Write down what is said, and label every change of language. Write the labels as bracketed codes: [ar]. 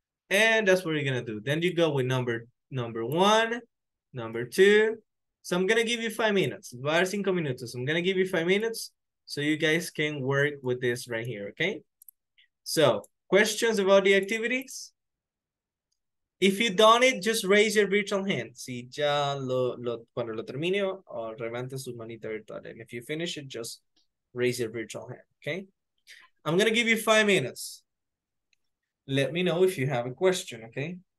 [en] And that's what you're going to do. Then you go with number one, number two. So I'm going to give you 5 minutes. Var 5 minutos. I'm going to give you 5 minutes so you guys can work with this right here, okay? So questions about the activities? If you've done it, just raise your virtual hand. [es] Si ya cuando lo termine, o levante su manita virtual. [en] And if you finish it, just raise your virtual hand, okay? I'm going to give you 5 minutes. Let me know if you have a question, okay?